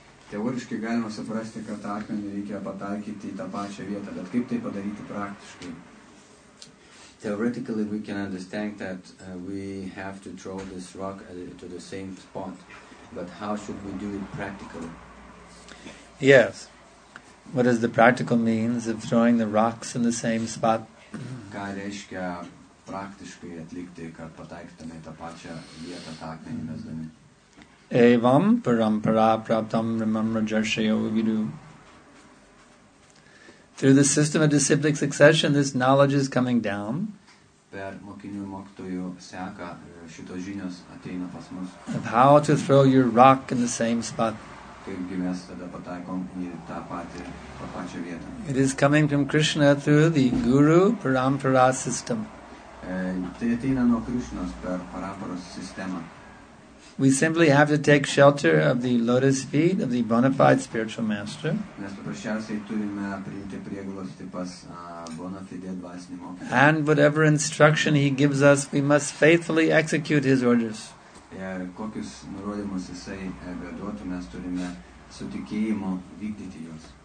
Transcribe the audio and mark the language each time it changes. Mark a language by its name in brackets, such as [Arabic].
[Lithuanian] Teoriškai galima suprasti, kad akmenį reikia pataikyti į tą pačią vietą, bet kaip tai padaryti praktiškai? [English] Theoretically, we can understand that we have to throw this rock to the same spot, but how should we do it practically? Yes. What is the practical means of throwing the rocks in the same spot? [Lithuanian] Ką reiškia praktiškai atlikti, kad pataikytume tą pačią vietą tą akmenį mesdami? [Sanskrit] Evam parampara praptam ramam rajarshaya vividu. [English] Through the system of disciplic succession, this knowledge is coming down. [Lithuanian] Per mokinių mokytojų seka šitos žinios ateina pas mus. [English] Of how to throw your rock in the same spot. [Lithuanian] Kaipgi mes tada pataikom į tą patį, tą pačią vietą. [English] It is coming from Krishna through the Guru Parampara system. [Lithuanian] Tai ateina nuo Krishnos per Paramparos sistemą. [English] We simply have to take shelter of the lotus feet of the bona fide spiritual master. [Lithuanian] Mes paprasčiausiai turime priimti prieglobstį pas bona fide dvasinį mokytoją. [English] And whatever instruction he gives us, we must faithfully execute his orders. [Lithuanian] Ir kokius nurodymus jisai beduotų, mes turime su tikėjimu vykdyti juos.